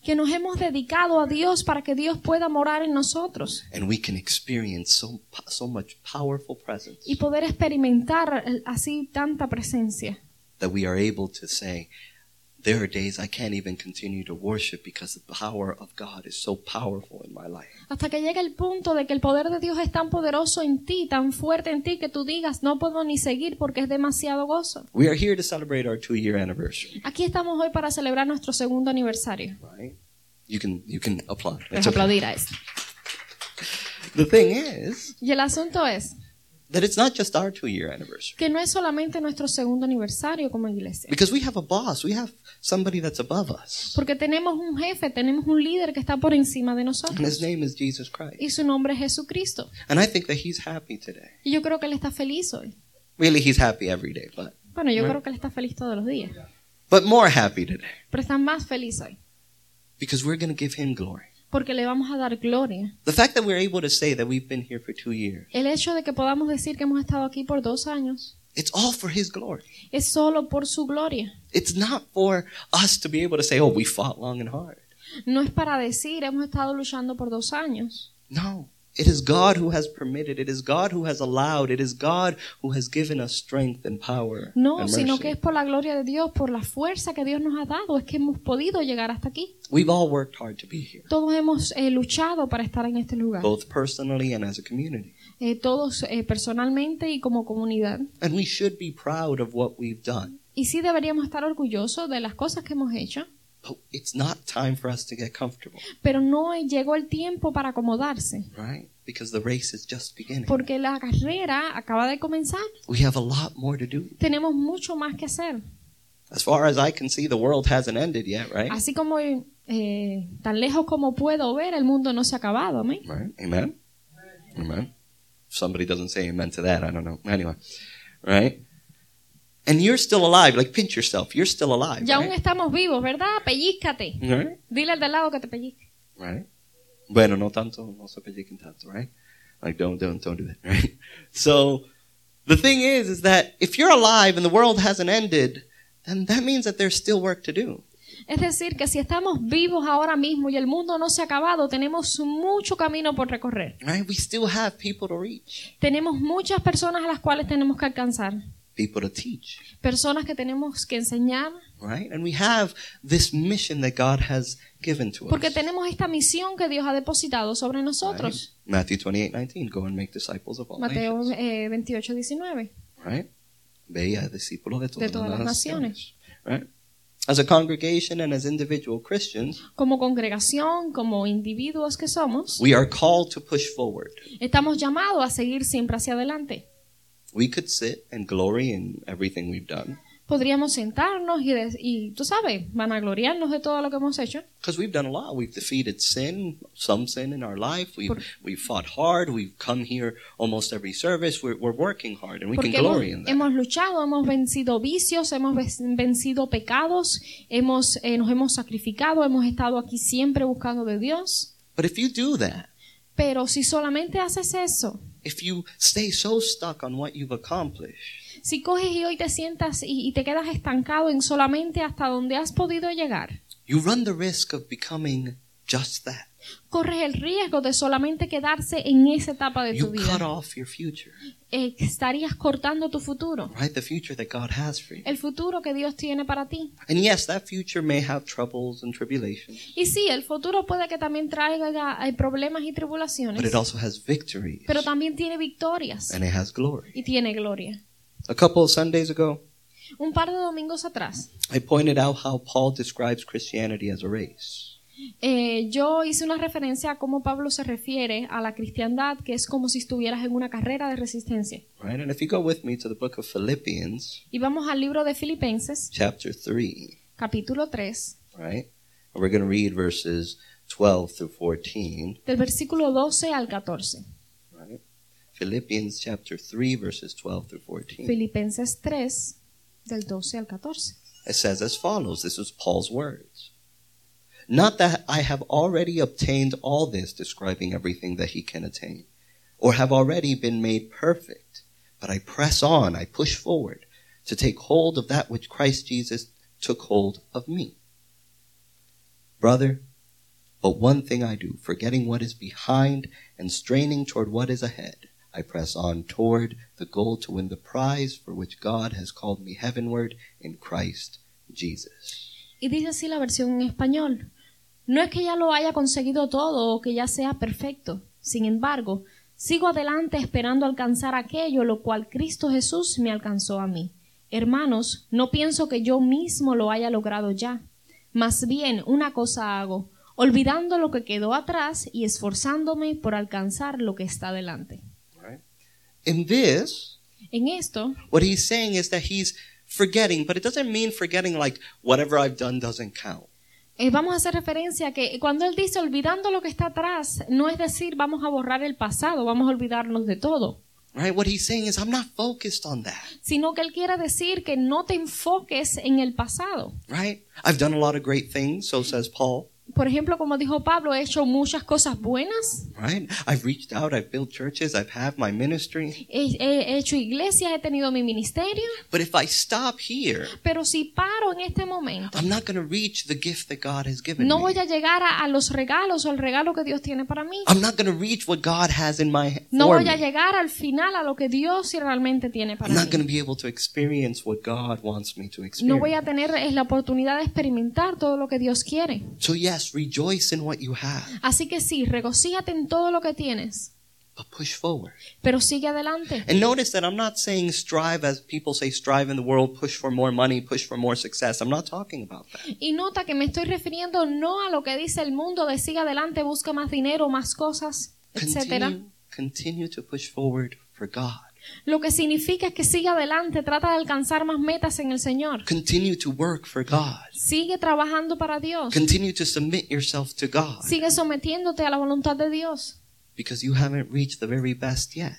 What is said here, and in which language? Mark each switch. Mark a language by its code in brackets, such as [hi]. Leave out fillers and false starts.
[es] Que nos hemos dedicado a Dios para que Dios pueda morar en nosotros. [en] And we can experience so much powerful presence. [es] Y poder experimentar así tanta presencia. [en] That we are able to say, there are days I can't even continue to worship because the power of God is so powerful in my life. [es] Hasta que llegue el punto de que el poder de Dios es tan poderoso en ti, tan fuerte en ti, que tú digas, no puedo ni seguir porque es demasiado gozo. [en] We are here to celebrate our 2-year anniversary. [es] Aquí estamos hoy para celebrar nuestro segundo aniversario. [en] Right? You can applaud. [es] Es aplaudir a eso. [en] The thing is, [es] y el asunto es, [en] that it's not just our 2-year anniversary. [es] Que no es solamente nuestro segundo aniversario como iglesia. [en] Because we have a boss, we have somebody that's above us. [es] Porque tenemos un jefe, tenemos un líder que está por encima de nosotros. [en] And his name is Jesus Christ. [es] Y su nombre es Jesucristo. [en] And I think that he's happy today. [es] Y yo creo que él está feliz hoy. [en] Really, he's happy every day, but [es] bueno, yo creo que él está feliz todos los días. [en] But more happy today. [es] Pero está más feliz hoy. [en] Because we're going to give him glory. [es] Porque le vamos a dar gloria. [en] The fact that we're able to say that we've been here for 2 years. [es] El hecho de que podamos decir que hemos estado aquí por 2 años. [en] It's all for his glory. [es] Es solo por su gloria. [en] It's not for us to be able to say, oh, we fought long and hard. [es] No es para decir, hemos estado luchando por 2 años. No. [en] It is God who has permitted, it is God who has allowed, it is God who has given us strength and power. [es] No, [en] and mercy. [es] Sino que es por la gloria de Dios, por la fuerza que Dios nos ha dado, es que hemos podido llegar hasta aquí. [en] We've all worked hard to be here. [es] Todos hemos luchado para estar en este lugar. [en] Both personally and as a community. [es] Todos personalmente y como comunidad. [en] And we should be proud of what we've done. [es] Y sí deberíamos estar orgullosos de las cosas que hemos hecho. [en] But it's not time for us to get comfortable. [es] Pero no llegó el tiempo para acomodarse. [en] Right? Because the race is just beginning. [es] Porque la carrera acaba de comenzar. [en] We have a lot more to do. [es] Tenemos mucho más que hacer. [en] As far as I can see, the world hasn't ended yet, right? [es] Así como tan lejos como puedo ver, el mundo no se ha acabado, ¿me? [en] Right? Amen. Amen. If somebody doesn't say amen to that, I don't know. Anyway, right? And you're still alive. Like, pinch yourself. You're still alive. [es] Ya aún [en] right? [es] estamos vivos, ¿verdad? Pellízcate. [en] Right? [es] Dile al de lado que te pellizque. [en] Right? [es] Bueno, no tanto. No se pellizquen tanto, [en] right? Like, don't do that, right? So, the thing is that if you're alive and the world hasn't ended, then that means that there's still work to do. [es] Es decir, que si estamos vivos ahora mismo y el mundo no se ha acabado, tenemos mucho camino por recorrer. [en] Right? We still have people to reach. [es] Tenemos muchas personas a las cuales tenemos que alcanzar. [en] People to teach. [es] Personas que tenemos que enseñar. [en] Right? And we have this mission that God has given to [es] porque [en] us. [es] Porque tenemos esta misión que Dios ha depositado sobre nosotros. [en] Right? Matthew 28:19, go and make disciples of all [es] Mateo, [en] nations. [es] Mateo 28:19. [en] Right? [es] Ve y haz discípulos de todas, Las naciones. [en] Right? As a congregation and as individual Christians, [es] como congregación, como individuos que somos, [en] we are called to push forward. [es] Estamos llamados a seguir siempre hacia adelante. [en] We could sit and glory in everything we've done. [es] Podríamos sentarnos y tú sabes, vanagloriarnos de todo lo que hemos hecho. [en] Because we've done a lot. We've defeated sin, some sin in our life. We've fought hard. We've come here almost every service. We're working hard and we can glory in that. [es] Hemos luchado, hemos vencido vicios, hemos vencido pecados, nos hemos sacrificado, hemos estado aquí siempre buscando de Dios. [en] But if you do that, [es] pero si solamente haces eso, [en] if you stay so stuck on what you've accomplished, [es] si coges y hoy te sientas y te quedas estancado en solamente hasta donde has podido llegar, [en] you run the risk of becoming just that. [es] Corres el riesgo de solamente quedarse en esa etapa de [en] you [es] tu vida. [en] You cut off your future. [es] Estarías cortando tu futuro. [en] Right, the future that God has for you. [es] El futuro que Dios tiene para ti. [en] And yes, that future may have troubles and tribulations. [es] Y sí, el futuro puede que también traiga problemas y tribulaciones. [en] But it also has victories. [es] Pero también tiene victorias. [en] And it has glory. [es] Y tiene gloria. [en] A couple of Sundays ago, [es] un par de domingos atrás, [en] I pointed out how Paul describes Christianity as a race. [es] Yo hice una referencia a cómo Pablo se refiere a la cristiandad, que es como si estuvieras en una carrera de resistencia. [en] Right, and if you go with me to the book of Philippians, [es] y vamos al libro de Filipenses, [en] chapter 3, [es] capítulo 3, [en] right, and we're going to read verses 12 through 14. [es] Del versículo 12 al 14. [en] Right. Philippians chapter 3, verses 12 through 14. [es] Filipenses 3, del 12 al 14. [en] It says as follows. This is Paul's words. Not that I have already obtained all this, describing everything that he can attain, or have already been made perfect, but I press on, I push forward, to take hold of that which Christ Jesus took hold of me. Brother, but one thing I do, forgetting what is behind and straining toward what is ahead, I press on toward the goal to win the prize for which God has called me heavenward in Christ Jesus. [es] Y dice así la versión en español. No es que ya lo haya conseguido todo o que ya sea perfecto. Sin embargo, sigo adelante esperando alcanzar aquello lo cual Cristo Jesús me alcanzó a mí. Hermanos, no pienso que yo mismo lo haya logrado ya. Más bien, una cosa hago, olvidando lo que quedó atrás y esforzándome por alcanzar lo que está delante. En esto, [en] what he's saying is that he's forgetting, but it doesn't mean forgetting like whatever I've done doesn't count. [es] Vamos a hacer referencia a que cuando él dice olvidando lo que está atrás, no es decir vamos a borrar el pasado, vamos a olvidarnos de todo. [en] Right, what he's saying is I'm not focused on that. [es] Sino que él quiere decir que no te enfoques en el pasado. [en] Right? I've done a lot of great things, so says Paul. [es] Por ejemplo, como dijo Pablo, he hecho muchas cosas buenas. [en] Right? I've reached out, I've built churches, I've had my ministry. [es] He hecho iglesias, he tenido mi ministerio. [en] But if I stop here, [es] pero si paro en este momento, [en] I'm not going to reach the gift that God has given [es] no [en] me. [es] No voy a llegar a los regalos o el regalo que Dios tiene para mí. [en] I'm not going to reach what God has in my hand. [es] No voy a llegar al final a lo que Dios realmente tiene para [en] I'm [es] mí. [en] I'm not going to be able to experience what God wants me to experience. [es] No voy a tener la oportunidad de experimentar todo lo que Dios quiere. [en] So yes, rejoice in what you have. [es] Así que sí, regocíjate en todo lo que tienes. [en] But push forward. [es] Pero sigue adelante. [en] And notice that I'm not saying strive as people say strive in the world, push for more money, push for more success. I'm not talking about that. [es] Y nota que me estoy refiriendo no a lo que dice el mundo de sigue adelante, busca más dinero, más cosas, etc. [en] Continue to push forward for God. [es] Lo que significa es que sigue adelante, trata de alcanzar más metas en el Señor. [en] Continue to work for God. [es] Sigue trabajando para Dios. [en] Continue to submit yourself to God. [es] Sigue sometiéndote a la voluntad de Dios. [en] Because you haven't reached the very best yet.